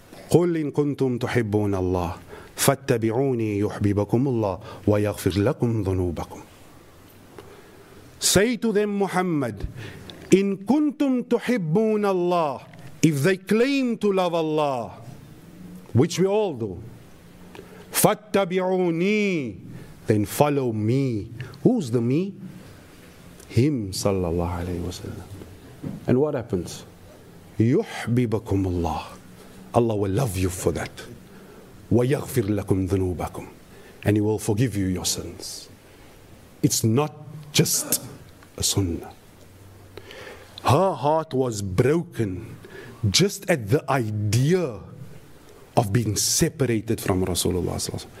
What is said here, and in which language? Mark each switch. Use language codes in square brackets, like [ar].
[ar] قل إن كنتم تحبون الله فاتبعوني يحببكم الله ويغفر لكم ذنوبكم. [en] Say to them, Muhammad, [ar] إن كنتم تحبون الله, [en] if they claim to love Allah, which we all do, [ar] فاتبعوني, [en] then follow me. Who's the me? Him, [ar] صلى الله عليه وسلم. [en] And what happens? [ar] يحببكم الله. [en] Allah will love you for that. [ar] وَيَغْفِرْ لَكُمْ ذُنُوبَكُمْ. [en] And He will forgive you your sins. It's not just a sunnah. Her heart was broken just at the idea of being separated from Rasulullah.